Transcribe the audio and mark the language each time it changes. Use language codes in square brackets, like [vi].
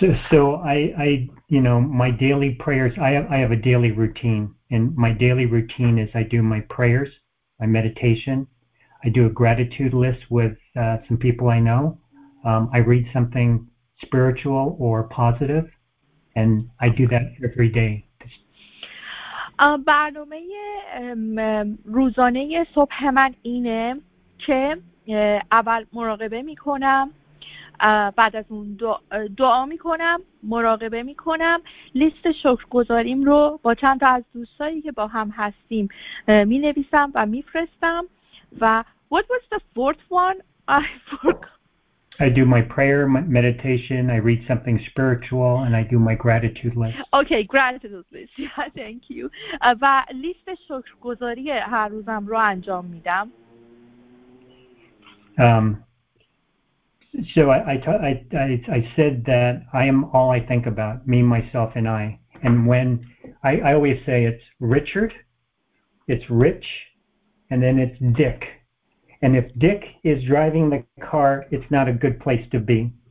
[en] So I you know, my daily prayers, I have a daily routine, and my daily routine is I do my prayers, my meditation, I do a gratitude list with some people I know, I read something spiritual or positive, and I do that every day. [fa] برنامه روزانه صبح من اینه که اول مراقبه میکنم، بعد از اون دعا میکنم، مراقبه میکنم، لیست شکرگزاریم رو با چند تا از دوستایی که با هم هستیم مینویسم و میفرستم. و [en] what was the fourth one? I forgot. I do my prayer, my meditation, I read something spiritual, and I do my gratitude list. Okay, gratitude list. Yeah, thank you. [fa] و لیست شکرگزاری هر روزم رو انجام میدم. [en] So I said that I am all I think about, me, myself, and I. And when I always say it's Richard, it's Rich, and then it's Dick. And if Dick is driving the car, it's not a good place to be.